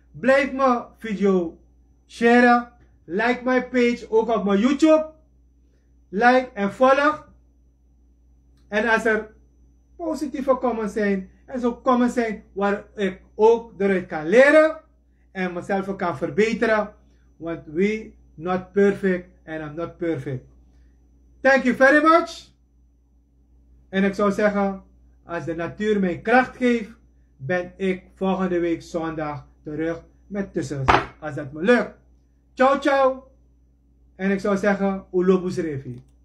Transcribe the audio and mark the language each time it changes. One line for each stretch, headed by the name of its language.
Dutch: Blijf mijn video share. Like mijn page. Ook op mijn YouTube. Like en volg. En als er positieve comments zijn. En zo comments zijn. Waar ik ook eruit kan leren. En mezelf kan verbeteren.
English: Want we not perfect and I'm not perfect. Thank you very much.
Dutch: En ik zou zeggen, als de natuur mij kracht geeft, ben ik volgende week zondag terug met tussens. Als dat me lukt. Ciao, ciao. En ik zou zeggen, Ulobus Revi.